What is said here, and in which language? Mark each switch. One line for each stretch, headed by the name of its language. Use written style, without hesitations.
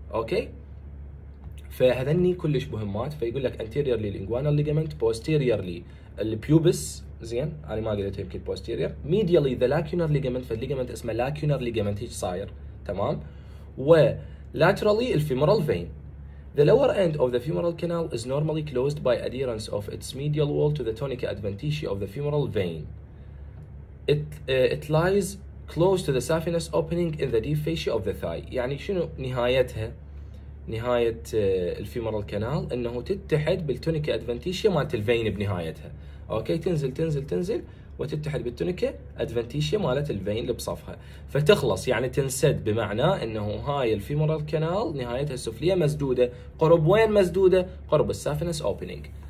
Arabic: اوكي فهذني كلش مهمات، فيقول لك انتيريرلي الانجوينال ليجامنت، بوستيريرلي البيوبس، زين انا ما قلت يمكن بوستيرير، ميديالي ذا لاكيونر ليجامنت، فالليجامنت اسمه لاكيونر ليجامنت ايش صاير تمام، و laterally الفيمورال vein.
English: The lower end of the femoral canal is normally closed by adherence of its medial wall to the tonic adventitia of the femoral vein. It lies close to the saphenous opening in the deep fascia of the thigh.
Arabic: يعني شنو نهايتها؟ نهاية الفيمورال canal انه تتحد بالتونيكا adventitia مالت الفين بنهايتها. اوكي تنزل تنزل تنزل وتتحد بالتونيكا ادفنتيشيا مالت الفين اللي بصفها، فتخلص يعني تنسد، بمعنى انه هاي الفيمورال كانال نهايتها السفليه مسدوده، قرب وين مسدوده؟ قرب السافنس اوبننج.